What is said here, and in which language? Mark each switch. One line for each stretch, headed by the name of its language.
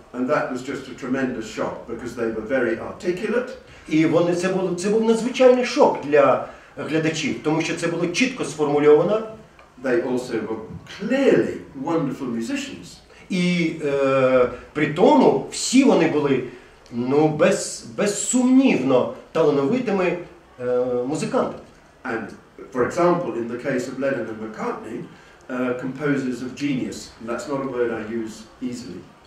English: And that was just a tremendous shock, because they were very articulate.
Ukrainian: І вони, це був надзвичайний шок для глядачів, тому що це було чітко сформульовано.
English: They also were clearly wonderful musicians.
Ukrainian: І при тому всі вони були, ну, безсумнівно талановитими музикантами.
English: And, for example, in the case of Lennon and McCartney, composers of genius, and that's not a word I use easily.